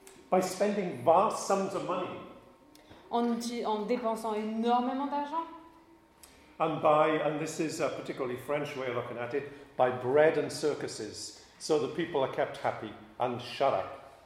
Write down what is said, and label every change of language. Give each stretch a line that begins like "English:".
English: By spending vast sums of money.
French: En dépensant énormément d'argent.
English: And by, and this is a particularly French way of looking at it, by bread and circuses, so the people are kept happy and shut up.